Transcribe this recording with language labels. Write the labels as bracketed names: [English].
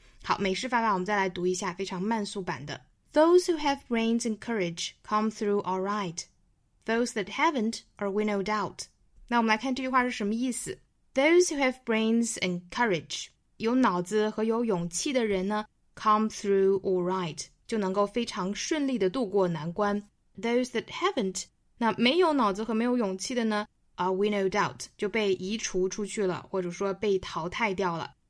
[Chinese] 好，美式发法我们再来读一下非常慢速版的。 [English] Those who have brains and courage come through all right. Those that haven't are winnowed out. [Chinese] 那我们来看这句话是什么意思。 [English] Those who have brains and courage, [Chinese] 有脑子和有勇气的人呢 [English] come through all right, [Chinese] 就能够非常顺利的度过难关。 [English] Those that haven't, [Chinese] 那没有脑子和没有勇气的呢 [English] are winnowed out, [Chinese] 就被移除出去了或者说被淘汰掉了。